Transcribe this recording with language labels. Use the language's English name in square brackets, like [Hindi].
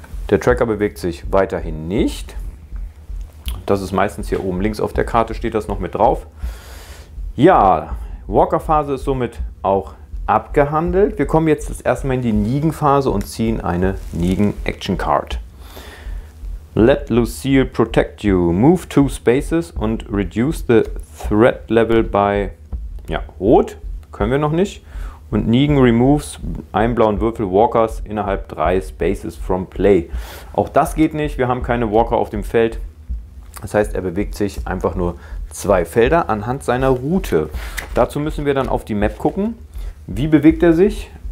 [German] Der Tracker bewegt sich weiterhin nicht. Das ist meistens hier oben links auf der Karte, steht das noch mit drauf. Ja, Walker-Phase ist somit auch abgehandelt. Wir kommen jetzt erstmal in die Negan-Phase und ziehen eine Negan-Action-Card. [English] Let Lucille protect you. Move two spaces and reduce the threat level by... [German] Ja, rot. Können wir noch nicht. Und Negan removes einen blauen Würfel Walkers innerhalb drei [English] Spaces from play. [German] Auch das geht nicht. Wir haben keine Walker auf dem Feld. Das heißt, er bewegt sich einfach nur zwei Felder anhand seiner Route. Dazu müssen wir dann auf die Map gucken. Wie bewegt er sich?